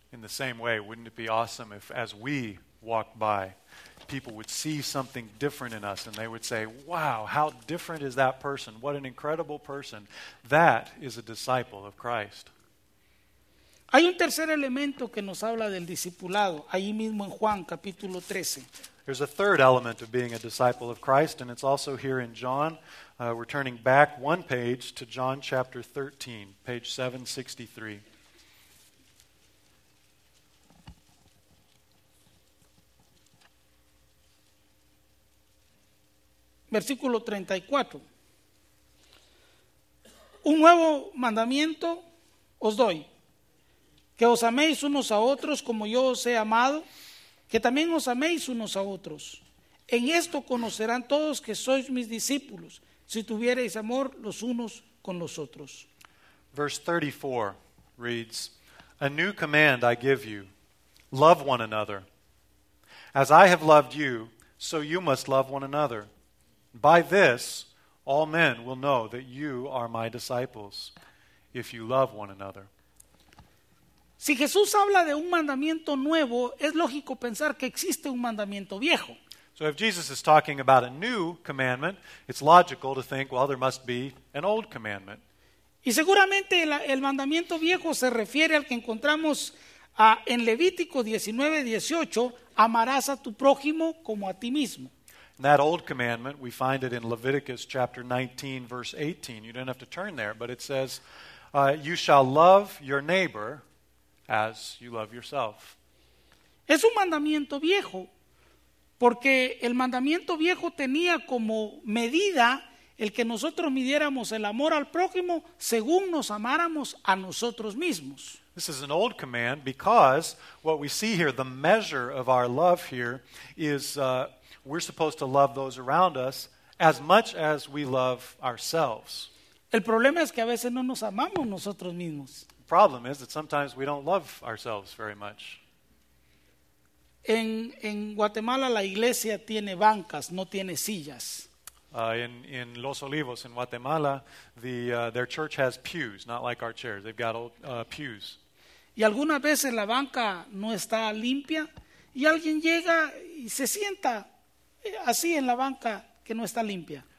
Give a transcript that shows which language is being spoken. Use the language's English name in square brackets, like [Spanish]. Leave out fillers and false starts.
[English] In the same way, wouldn't it be awesome if as we walk by, people would see something different in us and they would say, wow, how different is that person? What an incredible person. That is a disciple of Christ. [Spanish] Hay un tercer elemento que nos habla del discipulado, ahí mismo en Juan capítulo 13. [English] There's a third element of being a disciple of Christ, and it's also here in John. We're turning back one page to John chapter 13, page 763. [Spanish] Versículo 34. Un nuevo mandamiento os doy, que os améis unos a otros como yo os he amado, que también os améis unos a otros. En esto conocerán todos que sois mis discípulos, si tuviereis amor los unos con los otros. [English] Verse 34 reads, a new command I give you, love one another. As I have loved you, so you must love one another. By this, all men will know that you are my disciples, if you love one another. [Spanish] Si Jesús habla de un mandamiento nuevo, es lógico pensar que existe un mandamiento viejo. [English] So if Jesus is talking about a new commandment, it's logical to think, well, there must be an old commandment. [Spanish] Y seguramente el mandamiento viejo se refiere al que encontramos en Levítico 19:18, amarás a tu prójimo como a ti mismo. [English] That old commandment, we find it in Leviticus chapter 19, verse 18. You don't have to turn there, but it says, you shall love your neighbor as you love yourself. [Spanish] Es un mandamiento viejo, porque el mandamiento viejo tenía como medida el que nosotros midiéramos el amor al prójimo según nos amáramos a nosotros mismos. [English] This is an old command because what we see here, the measure of our love here is... we're supposed to love those around us as much as we love ourselves. [Spanish] El problema es que a veces no nos amamos nosotros mismos. [English] The problem is that sometimes we don't love ourselves very much. [Spanish] En Guatemala la iglesia tiene bancas, no tiene sillas. [English] In Los Olivos, in Guatemala, their church has pews, not like our chairs. They've got old pews. [Spanish] Y algunas veces la banca no está limpia y alguien llega y se sienta así en la banca que no está limpia.